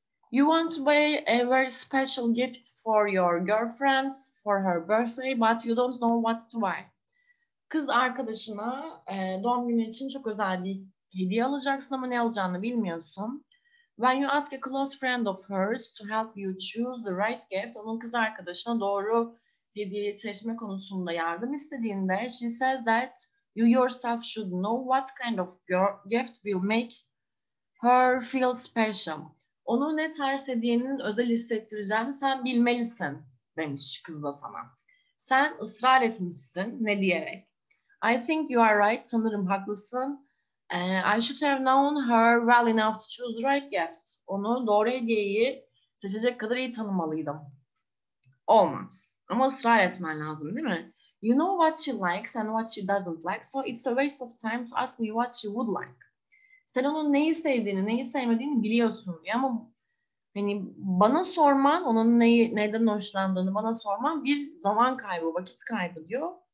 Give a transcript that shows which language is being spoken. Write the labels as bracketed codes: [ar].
[en] You want to buy a very special gift for your girlfriend for her birthday, but you don't know what to buy. [tr] Kız arkadaşına doğum günü için çok özel bir hediye alacaksın ama ne alacağını bilmiyorsun. [en] When you ask a close friend of hers to help you choose the right gift, [tr] onun kız arkadaşına doğru hediye seçme konusunda yardım istediğinde, [en] she says that you yourself should know what kind of gift will make her feel special. [tr] Onu ne tarz hediyenin özel hissettireceğini sen bilmelisin demiş kız da sana. Sen ısrar etmişsin ne diyerek. [en] I think you are right, [tr] sanırım haklısın. [en] I should have known her well enough to choose the right gift. [tr] Onu doğru hediyeyi seçecek kadar iyi tanımalıydım. Olmaz. Ama ısrar etmen lazım değil mi? [en] You know what she likes and what she doesn't like. So it's a waste of time to ask me what she would like. [tr] Sen onun neyi sevdiğini, neyi sevmediğini biliyorsun diye. Ama hani bana sorman, onun neyi, neden hoşlandığını bana sorman bir zaman kaybı, vakit kaybı diyor.